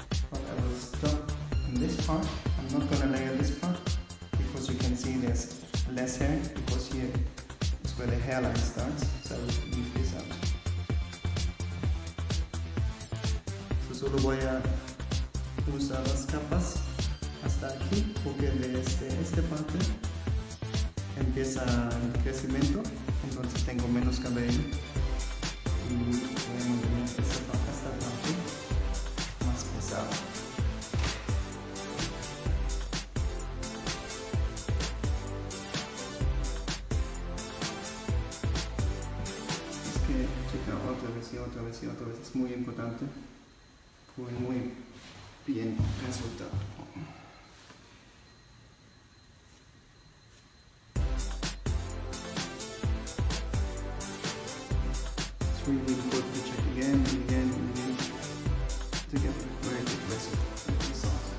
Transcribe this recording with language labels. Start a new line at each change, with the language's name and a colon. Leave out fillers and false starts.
English: But I will stop in this part. I'm not gonna layer this part because you can see there's less hair because here is where the hairline starts. So I will leave this out.
Spanish: So solo voy a usar las capas hasta aquí porque desde esta parte empieza el crecimiento, entonces tengo menos cabello y voy a mantener esta parte más pesada. Es que checa otra vez y otra vez y otra vez, es muy importante, muy muy bien resultado.
English: It's really important to check again and again and again to get a very good result.